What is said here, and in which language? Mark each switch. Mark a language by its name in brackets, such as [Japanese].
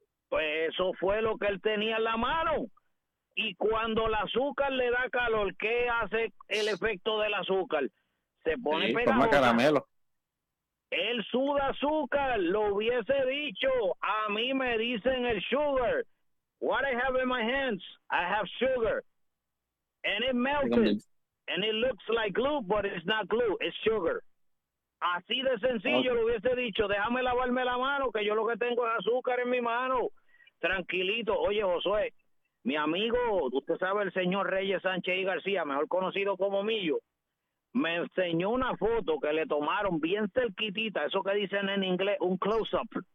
[Spanish] Pues eso fue lo que él tenía en la mano. Y cuando el azúcar le da calor, ¿qué hace el efecto del azúcar? Se pone pegajoso. Toma caramelo. El suda azúcar, lo hubiese dicho, a mí me dicen el sugar. [English] What I have in my hands, I have sugar. And it melted, and it looks like glue, but it's not glue, it's sugar. [Spanish] Así de sencillo lo hubiese dicho, déjame lavarme la mano, que yo lo que tengo es azúcar en mi mano. Tranquilito. Oye, Josué, mi amigo, usted sabe, el señor Reyes Sánchez y García, mejor conocido como Millo, me enseñó una foto que le tomaron bien cerquitita, eso que dicen en inglés, un close-up.